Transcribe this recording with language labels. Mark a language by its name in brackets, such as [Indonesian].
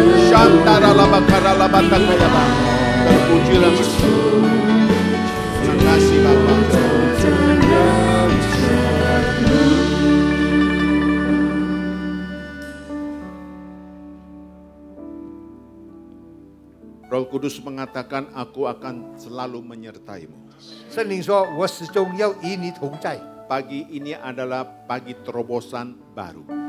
[Indonesian] Shantara laba karala bata kaya ba. Terpujilah Tuhan. Terima kasih Bapa. Roh Kudus mengatakan, aku akan selalu menyertaimu. [Chinese] 圣灵说，我始终要与你同在。 [Indonesian] Pagi ini adalah pagi terobosan baru.